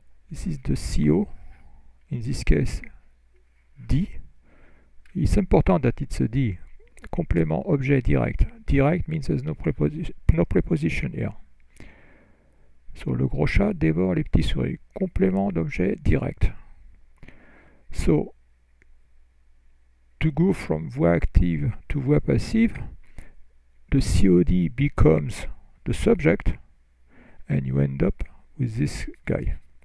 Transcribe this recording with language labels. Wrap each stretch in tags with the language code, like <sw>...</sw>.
<en>This is the CO, in this case, D. It's important that it's a D, complément, objet, direct. Direct means there's no preposition here.</en> <fr>So le gros chat dévore les petits souris, complément d'objet direct.</fr> <en>So to go from voix active to voix passive, the COD becomes the subject and you end up with this guy.</en>